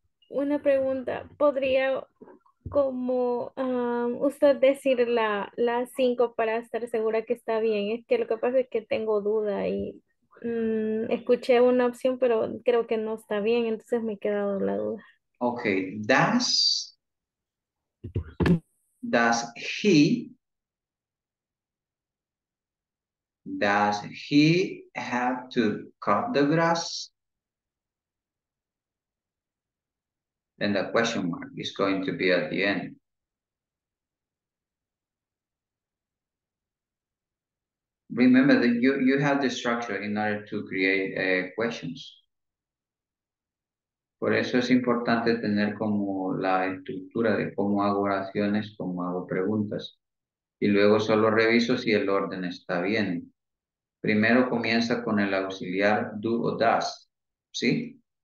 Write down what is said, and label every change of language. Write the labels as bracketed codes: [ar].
[es] Una pregunta, ¿podría como usted decir la cinco para estar segura que está bien? Es que lo que pasa es que tengo duda y escuché una opción, pero creo que no está bien, entonces me he quedado la duda. [en] Ok, does he have to cut the grass? Then the question mark is going to be at the end. Remember that you have the structure in order to create questions. [es] Por eso es importante tener como la estructura de cómo hago oraciones, cómo hago preguntas. Y luego solo reviso si el orden está bien. Primero comienza con el auxiliar do o does. ¿Sí?